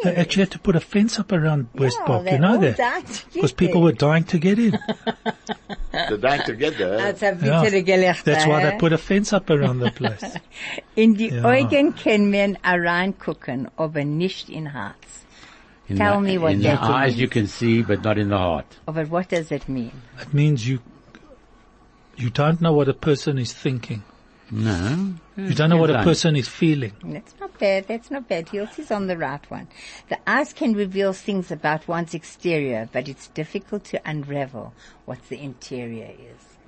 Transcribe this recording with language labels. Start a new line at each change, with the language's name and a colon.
English: They actually had to put a fence up around West Fox, you know that? Because people were dying to get in. They're dying to get there. That's a bitter gelächter. That's why they put a fence up around the place.
German: In die Augen kann man reingucken, aber nicht in Herz.
English: Tell me what that means. In the eyes you can see, but not in the heart. But what does it mean? It means you don't know what a person is thinking. No. You don't know what a person is feeling. That's not bad. Yours is on the right one. The eyes can reveal things about one's exterior, but it's difficult to unravel what the interior is.